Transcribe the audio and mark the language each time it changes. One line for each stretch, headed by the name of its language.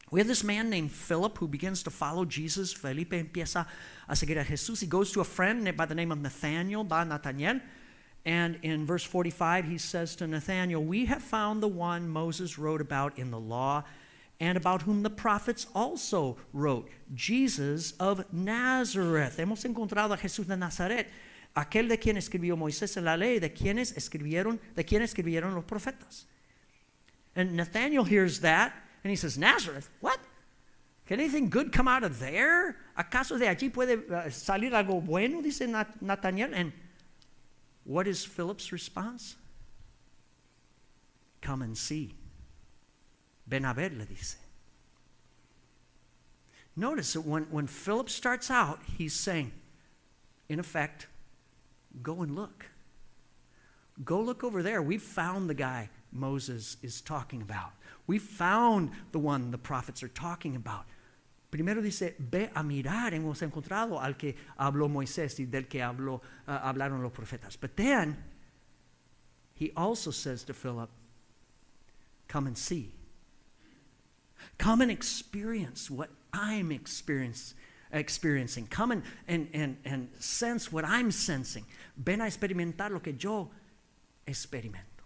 English: We have this man named Philip who begins to follow Jesus.
Spanish: Felipe empieza a seguir a Jesús.
English: He goes to a friend by the name of Nathanael, by Nathanael. And in verse 45, he says to Nathanael, "We have found the one Moses wrote about in the law and about whom the prophets also wrote, Jesus of Nazareth."
Spanish: Hemos encontrado a Jesús de Nazaret, aquel de quien escribió Moisés en la ley, de quien escribieron los profetas.
English: And Nathanael hears that, and he says, "Nazareth? What? Can anything good come out of there?
Spanish: ¿Acaso de allí puede salir algo bueno?" dice Nathanael.
English: And what is Philip's response? "Come and see."
Spanish: "Ven a ver," le dice.
English: Notice that when Philip starts out, he's saying, in effect, "Go and look. Go look over there. We've found the guy Moses is talking about. We found the one the prophets are talking about.
Spanish: Primero dice, ve a mirar, hemos encontrado al que habló Moisés y del que habló, hablaron los profetas.
English: But then, he also says to Philip, come and see. Come and experience what I'm experiencing. Come and sense what I'm sensing.
Spanish: Ven a experimentar lo que yo experimento.